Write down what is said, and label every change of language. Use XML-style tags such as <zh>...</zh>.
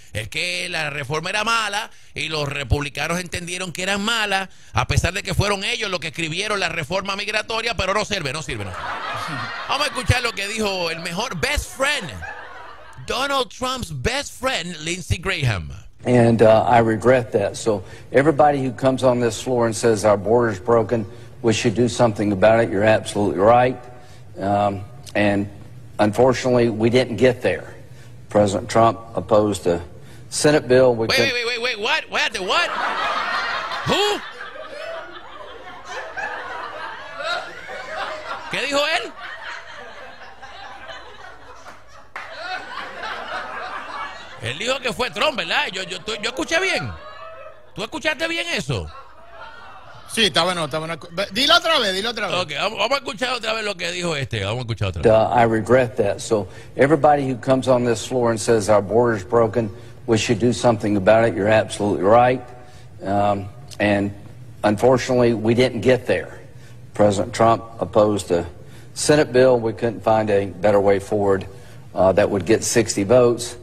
<es>Es que la reforma era mala y los republicanos entendieron que era mala, a pesar de que fueron ellos los que escribieron la reforma migratoria, pero no sirve. Vamos a escuchar lo que dijo el mejor</es> <en>best friend, Donald Trump's best friend,</en> <es>Lindsey Graham.</es> <en>And I regret that. So everybody who comes on this floor and says our border's broken, we should do something about it, you're absolutely right. And unfortunately, we didn't get there. President Trump opposed a Senate bill. Wait, what? Who?</en> <es>¿Qué dijo él? Él dijo que fue Trump, ¿verdad? Yo escuché bien. ¿Tú escuchaste bien eso? Sí, está bueno. Dilo otra vez. Okay, vamos a escuchar otra vez lo que dijo este. Vamos a escuchar otra vez.</es> <en>I regret that. So everybody who comes on this floor and says our border's broken, we should do something about it. You're absolutely right. And unfortunately, we didn't get there. President Trump opposed a Senate bill. We couldn't find a better way forward that would get 60 votes.</en>